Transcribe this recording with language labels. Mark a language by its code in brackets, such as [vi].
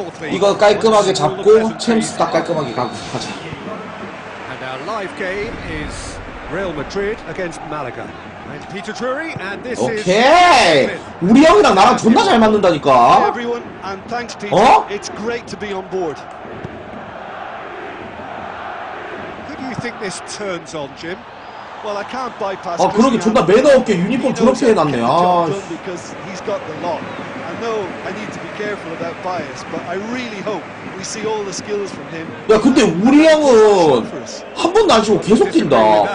[ko] 이거 깔끔하게 잡고 챔스 딱 깔끔하게 가고 가자. [en] And our live game is Real Madrid against Malaga. And Peter Drury and this is [ko] 오케이. 우리 형이랑 나랑 존나 잘 맞는다니까. 어? [en] It's great to be on board. Who do you think this turns on, Jim? Well, I can't bypass. [ko] 아, 그러게 존나 매너 없게 유니폼 졸업해 해 놨네. 아. [en] Because he's got the lot. I know I need to be careful about bias, but I really hope we see all the skills from him. [ko] 야, 근데 우리 형은 한 번도 안 쉬고 계속 뛴다.